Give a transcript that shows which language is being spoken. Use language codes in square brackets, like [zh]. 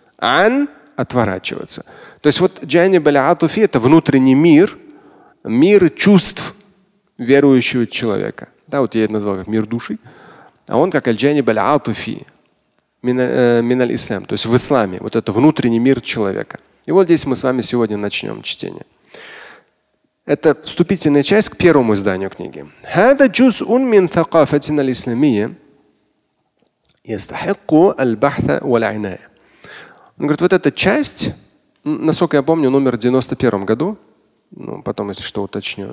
[ru] «Ан» – отворачиваться. То есть вот «джаниб аль-атуфи» – это внутренний мир, мир чувств верующего человека. Да, вот я это назвал как «мир души». А он как «аль-джаниб аль-атуфи». [ar] Миналь-Ислам, [ru] то есть в исламе, вот это внутренний мир человека. И вот здесь мы с вами сегодня начнем чтение. Это вступительная часть к первому изданию книги. [ar] هذا جزء من ثقافتنا الإسلامية يستحق البحث والعناية. [ru] Он говорит, вот эта часть, насколько я помню, номер в 91 году, ну, потом, если что, уточню.